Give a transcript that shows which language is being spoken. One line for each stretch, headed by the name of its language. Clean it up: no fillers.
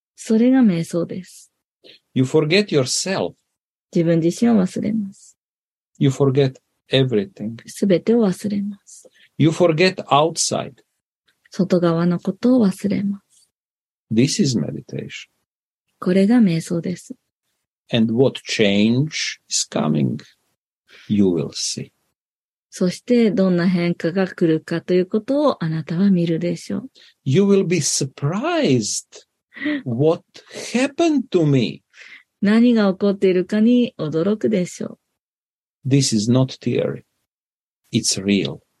Japanese: それが瞑想です。
English: You forget yourself.
Japanese: 自分自身を忘れます。
English: You forget everything.
Japanese: すべてを忘れます。
English: You forget outside.
Japanese: 外側のことを忘れます。
English: This is meditation.
Japanese: これが瞑想です。
English: And what change is coming, you will see.
Japanese: そしてどんな変化が来るかということをあなたは見るでしょう。
English: You will be surprised. What happened to me?
Japanese: 何が起こっているかに驚くでしょう。
English: This is not theory. It's real.